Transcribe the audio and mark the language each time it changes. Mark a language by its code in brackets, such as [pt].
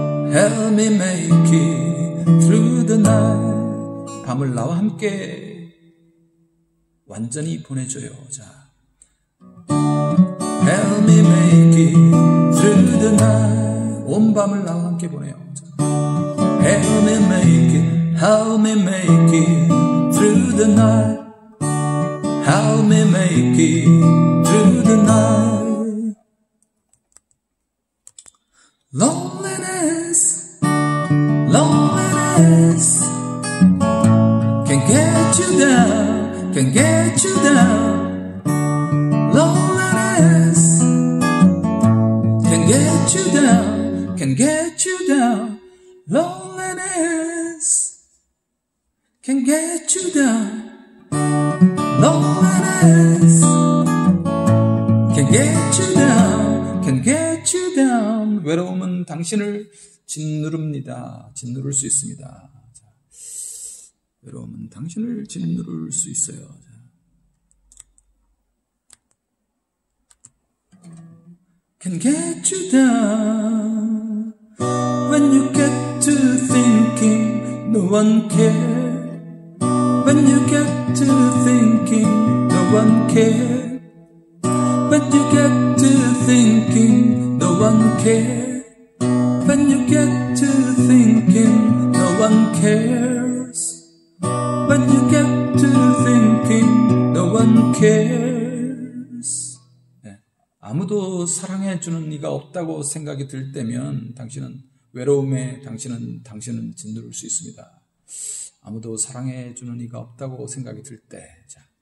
[en] Help me make it through the night. [ko] 밤을 나와 함께 완전히 보내줘요. 자. [en] Help me make it through the night. [ko] 온 밤을 나와 함께 보내요. [en] 자. Help me make it. Help me make it through the night. Help me make it through the night. Loneliness, loneliness can get you down, can get you down. Loneliness can get you down, can get you down. Loneliness can get you down. Loneliness can get you down, can get you down. [ko] 외로움은 당신을 짓누릅니다. 짓누를 수 있습니다. 자, 외로움은 당신을 짓누를 수 있어요. [en] 자, Can get you down When you get to thinking No one care When you get to thinking No one care When you get to thinking No one care When you get to thinking No one cares When you get to thinking No one cares 네. [ko] 아무도 사랑해주는 이가 없다고 생각이 들 때면 당신은 외로움에 당신은 짓누를 수 있습니다 아무도 사랑해주는 이가 없다고 생각이 들 때 자.